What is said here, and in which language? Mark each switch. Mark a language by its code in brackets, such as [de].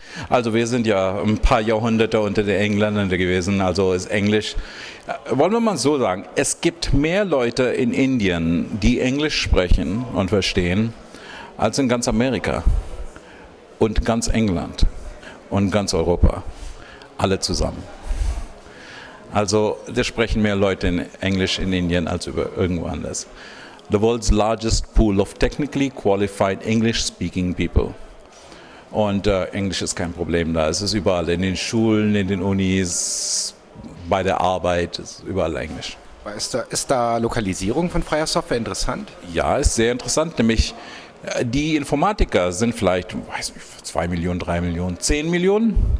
[de] Also wir sind ja ein paar Jahrhunderte unter den Engländern gewesen, also ist Englisch, wollen wir mal so sagen, es gibt mehr Leute in Indien, die Englisch sprechen und verstehen, als in ganz Amerika und ganz England und ganz Europa, alle zusammen. Also, da sprechen mehr Leute in Englisch in Indien als über irgendwo anders. [en] The world's largest pool of technically qualified English-speaking people. [de] Und Englisch ist kein Problem da. Es ist überall, in den Schulen, in den Unis, bei der Arbeit, ist überall Englisch. Ist da Lokalisierung von freier Software interessant? Ja, ist sehr interessant. Nämlich, die Informatiker sind vielleicht, weiß nicht, 2 Millionen, 3 Millionen, 10 Millionen.